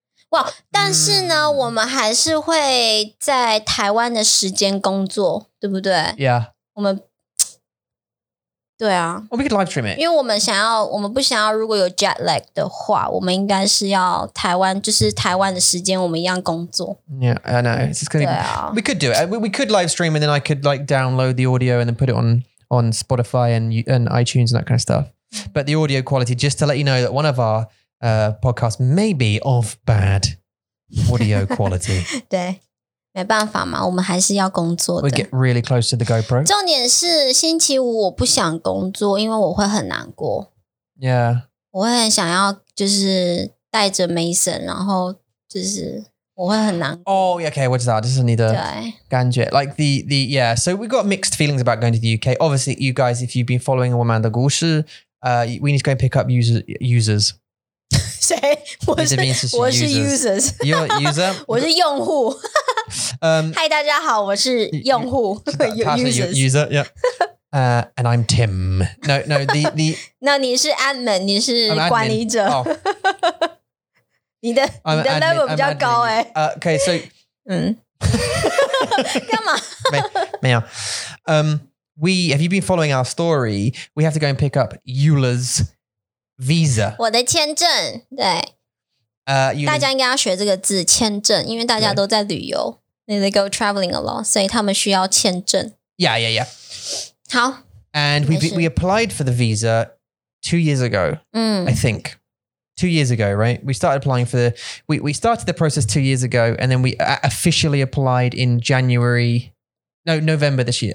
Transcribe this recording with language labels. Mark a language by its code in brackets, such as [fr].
[zh] 哇, 但是呢, 我们还是会在台湾的时间工作, 对不对? [en] Yeah. [zh] 我们对啊 [en] Oh, we could live stream it. [zh] 因为我们想要我们不想要如果有 jet lag 的话我们应该是要台湾就是台湾的时间我们一样工作 [en] Yeah, I know. It's just gonna be, [zh] 对啊 [en] We could do it. We could live stream and then I could like download the audio and then put it on Spotify and iTunes and that kind of stuff. But the audio quality, just to let you know that one of our podcasts may be of bad audio quality. [zh] 对没办法嘛我们还是要工作的。 [en] We get really close to the GoPro. [zh] 重点是星期五我不想工作因为我会很难过。 [en] Yeah. [zh] 我会很想要就是带着 Mason, 然后就是我会很难过。 [en] Oh, okay, what's that? [zh] 这是你的感觉。 [en] Like the, yeah, so we've got mixed feelings about going to the UK. Obviously, you guys, if you've been following [zh] 我们的故事, [en] we need to go and pick up users. [zh] 谁？我是 users. [en] You're a user? [zh] 我是用户。嗨，大家好，我是用户。 [en] You, user, yeah. And I'm Tim. No, no, the. [zh] 那你是 admin, 你是管理者。 [en] Oh. [zh] 你的 level 比较高哎。 [en] Okay, so. [zh] 干嘛？没有。 [en] Have you been following our story? We have to go and pick up Eula's. Visa. [zh] 我的签证对。大家应该要学这个字签证因为大家都在旅游。 [en] Yeah. They go traveling a lot, [zh] 所以他们需要签证。 [en] Yeah, yeah, yeah. [zh] 好。 [en] And we applied for the visa 2 years ago, I think. 2 years ago, right? We started applying for the, we started the process 2 years ago and then we officially applied in January, no, November this year.